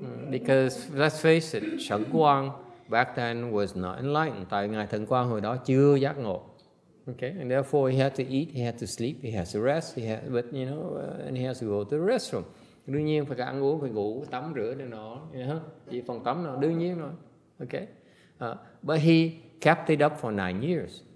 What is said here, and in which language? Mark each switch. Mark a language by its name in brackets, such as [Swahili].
[English] Because let's face it, Sẵn Quang back then was not enlightened. [Vietnamese] Tại ngài Thần Quang hồi đó chưa giác ngộ. [English] Okay, and therefore he had to eat, he had to sleep, he has to rest, and he has to go to the restroom. [Vietnamese] Đương nhiên phải ăn uống, phải ngủ, tắm rửa để nó, đi phòng tắm nó, đương nhiên rồi. [English] Okay, but he kept it up for 9 years.